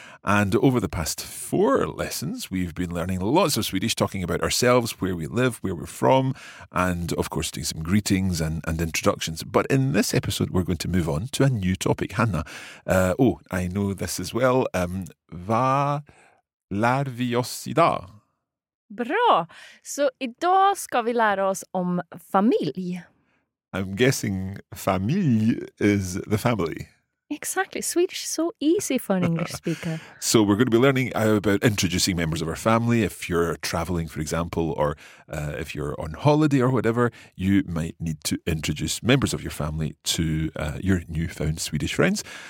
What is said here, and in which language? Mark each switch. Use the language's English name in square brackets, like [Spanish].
[English] And over the past 4 lessons, we've been learning lots of Swedish, talking about ourselves, where we live, where we're from, and of course doing some greetings and introductions. But in this episode, we're going to move on to a new topic. Hanna, I know this as well. [Swedish] Vad lär vi oss idag? Bra! Så idag ska vi lära oss om familj. [English] I'm guessing familj is the family. Exactly. Swedish is so easy for an English speaker. So we're going to be learning about introducing members of our family. If you're traveling, for example, or if you're on holiday or whatever, you might need to introduce members of your family to your newfound Swedish friends.